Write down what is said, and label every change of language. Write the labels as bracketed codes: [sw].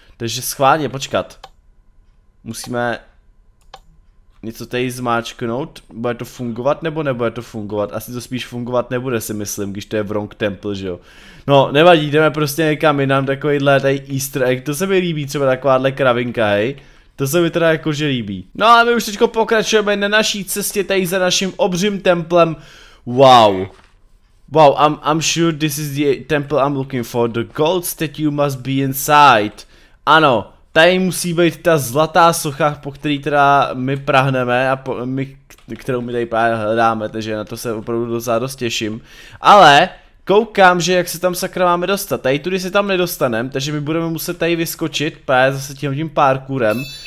[cs] Takže schválně, počkat. Musíme něco tady zmáčknout, bude to fungovat nebo nebude to fungovat, asi to spíš fungovat nebude si myslím, když to je [en] wrong temple, [cs] že jo. No, nevadí, jdeme prostě někam jinam, takovýhle tady easter egg, to se mi líbí, třeba takováhle kravinka, hej. To se mi teda jakože líbí. No a my už teďko pokračujeme na naší cestě tady za naším obřím templem. Wow. [en] Wow, I'm sure this is the temple I'm looking for. The gold statue must be inside. [cs] Ano, tady musí být ta zlatá socha, po který teda my prahneme a kterou my tady právě hledáme, takže na to se opravdu docela dost těším. Ale koukám, že jak se tam sakra máme dostat. Tady tudy se tam nedostaneme, takže my budeme muset tady vyskočit právě zase tím parkourem.